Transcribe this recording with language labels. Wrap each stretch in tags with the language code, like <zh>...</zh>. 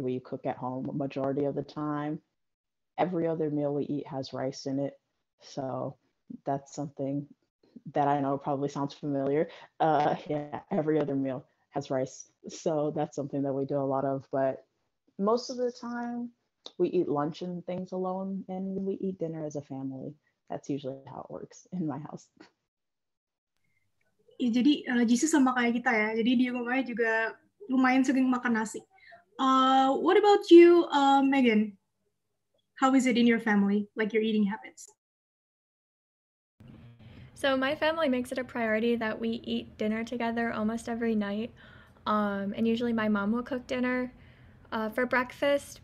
<en>We cook at home majority of the time. Every other meal we eat has rice in it, so that's something that I know probably sounds familiar. Every other meal has rice, so that's something that we do a lot of. But most of the time we eat lunch and things alone, and we eat dinner as a family. That's usually how it works in my house.</en> <id>Ya, jadi Jesus sama kayak kita ya. Jadi di rumahnya juga lumayan sering makan nasi.</id> <en>What about you, Megan? How is it in your family, like your eating habits? So my family makes it a priority that we eat dinner together almost every night. And usually my mom will cook dinner for breakfast.</en>